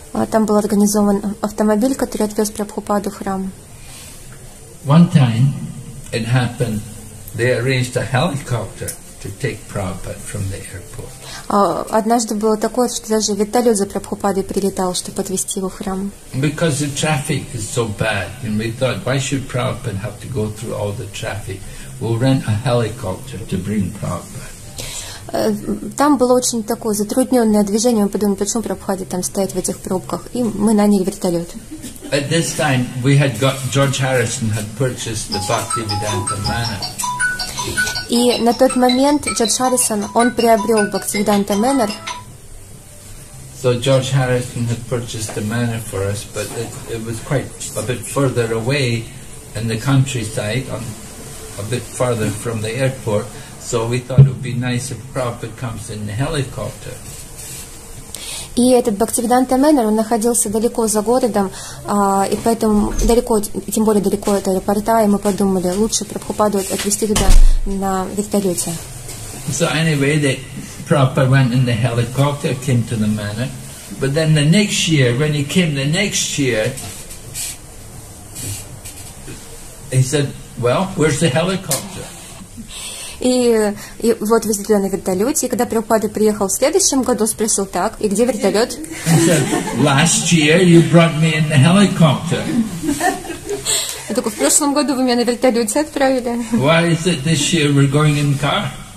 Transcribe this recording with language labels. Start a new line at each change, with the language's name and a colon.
Russian: Там был организован автомобиль, который отвез Прабхупаду в храм.
English: One time. It happened. They arranged a helicopter to take Prabhupada from the airport.
Russian: Однажды было такое, что даже вертолет за Прабхупадой прилетал, чтобы отвезти его в храм.
English: Because the traffic is so bad, and we thought, why should Prabhupada have to go through all the traffic? We'll rent a helicopter to bring Prabhupada.
Russian: Там было очень такое затрудненное движение. Мы подумали, почему Прабхупаде там стоять в этих пробках? И мы наняли вертолет.
English: At this time, we had got George Harrison had purchased the Bhaktivedanta Manor.
Russian: И на тот момент Джордж Харрисон он приобрел Бхактивиданта Мэннер.
English: So George Harrison had purchased the manor for us, but it was quite a bit further away in the countryside, on a bit farther from the airport. So we thought it would be nice if Prabhupada comes in the helicopter.
Russian: И этот Бхактивиданта Мэннер, он находился далеко за городом, и поэтому далеко, тем более далеко от аэропорта, и мы подумали, лучше Прабхупаду отвезти туда на вертолете.
English: So anyway, the Prabhupada went in the helicopter, came to the manor, but then the next year, when he came the next year, he said, well, where's the helicopter?
Russian: И вот везли на вертолете, и когда Прабхупада приехал в следующем году, спросил так, и где вертолет?
English: Last year you brought me in the helicopter.
Russian: Я такой, в прошлом году вы меня на вертолете отправили.
English: Why is it this year we're going in car?